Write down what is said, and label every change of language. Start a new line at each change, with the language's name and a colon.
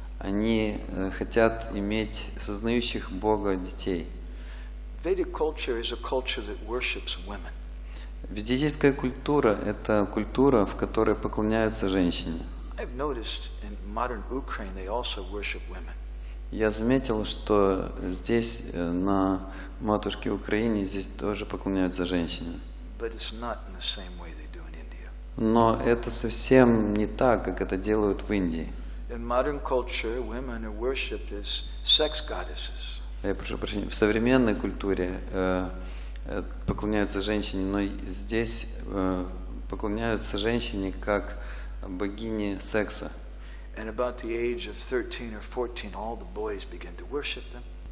Russian: Они хотят иметь сознающих Бога детей.
English: Vedic culture is a culture that worships women.
Russian: Ведическая культура – это культура, в которой поклоняются женщины.
English: I've noticed in modern Ukraine they also worship women.
Russian: Я заметил, что здесь на матушке Украине здесь тоже поклоняются женщины.
English: But it's not in the same way they do in India.
Russian: Но это совсем не так, как это делают в Индии.
English: In modern culture, women are worshipped as sex goddesses.
Russian: Я прошу прощения. В современной культуре поклоняются женщине, но здесь поклоняются женщине как богине секса.
English: And about the age of 13 or 14, all the boys begin to worship them.